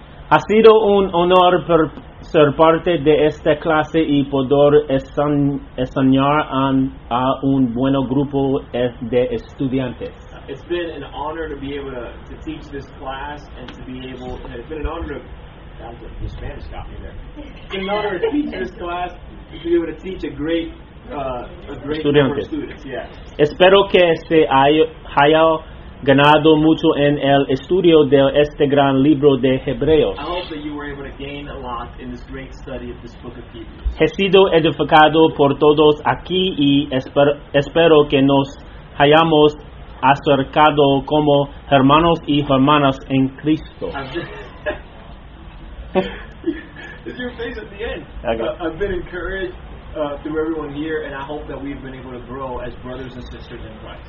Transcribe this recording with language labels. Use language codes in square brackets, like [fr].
[es] Ha sido un honor por ser parte de esta clase y poder enseñar a un buen grupo de estudiantes. [en] It's been an honor to be able to teach this class and to be able. It's been an honor. The Spanish got me there. It's an honor to teach this class and to be able to teach a great [es] estudiantes. [en] Number of students. Yeah. [es] Espero que se haya ganado mucho en el estudio de este gran libro de Hebreos. [en] I hope that you were able to gain a lot in this great study of this book of Hebrews. [es] He sido edificado por todos aquí y espero que nos hayamos acercado como hermanos y hermanas en Cristo. [en] It's your face at the end. Okay. I've been encouraged through everyone here, and I hope that we've been able to grow as brothers and sisters in Christ.